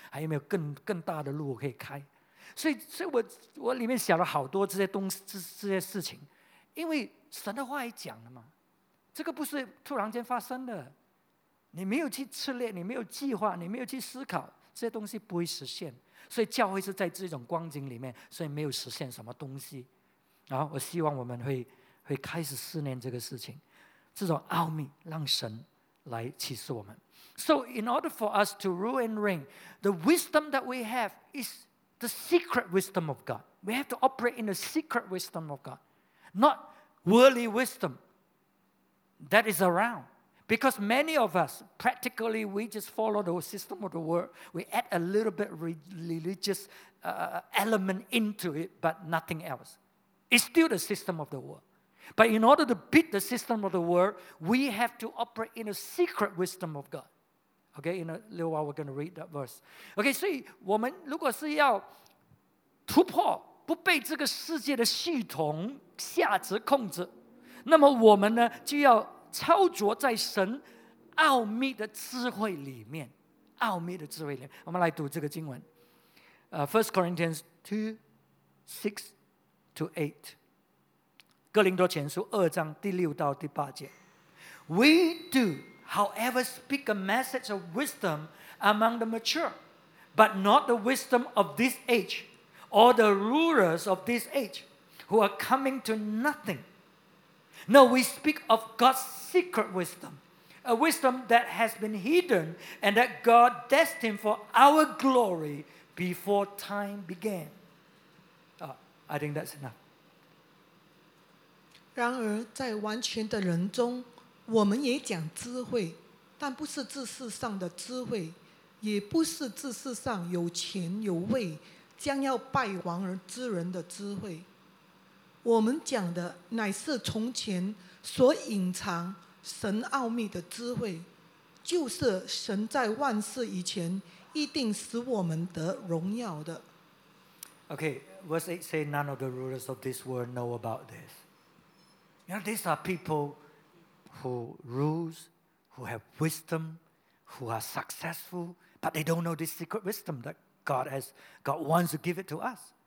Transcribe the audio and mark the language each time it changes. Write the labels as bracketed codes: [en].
[zh] 还有没有更大的路我可以开？所以我里面想了好多这些东西，这些事情，因为神的话也讲了嘛，这个不是突然间发生的，你没有去策略，你没有计划，你没有去思考，这些东西不会实现。所以教会是在这种光景里面，所以没有实现什么东西。然后我希望我们会开始思念这个事情，这种奥秘让神来启示我们。 [en] So in order for us to rule and reign, the wisdom that we have is the secret wisdom of God. We have to operate in the secret wisdom of God, not worldly wisdom that is around. Because many of us, practically, we just follow the system of the world. We add a little bit religious element into it, but nothing else. It's still the system of the world. But in order to beat the system of the world, we have to operate in the secret wisdom of God. Okay, in a little while we're going to read that verse. [zh] Okay, 所以我们如果是要突破，不被这个世界的系统下旨控制，那么我们呢就要操作在神奥秘的智慧里面，奥秘的智慧里面。我们来读这个经文，First Corinthians 2:6-8，哥林多前书2:6-8。 [en] We do. However, speak a message of wisdom among the mature, but not the wisdom of this age or the rulers of this age who are coming to nothing. No, we speak of God's secret wisdom, a wisdom that has been hidden and that God destined for our glory before time began. I think that's enough. [zh] 然而在完全的人中我们也讲智慧，但不是这世上的智慧，也不是这世上有钱有位将要败亡而之人的智慧。我们讲的乃是从前所隐藏神奥秘的智慧，就是神在万事以前一定使我们得荣耀的。 [en] Okay, verse 8 say none of the rulers of this world know about this. You know, these are peoplewho rules, who have wisdom, who are successful, but they don't know this secret wisdom that God wants to give it to us.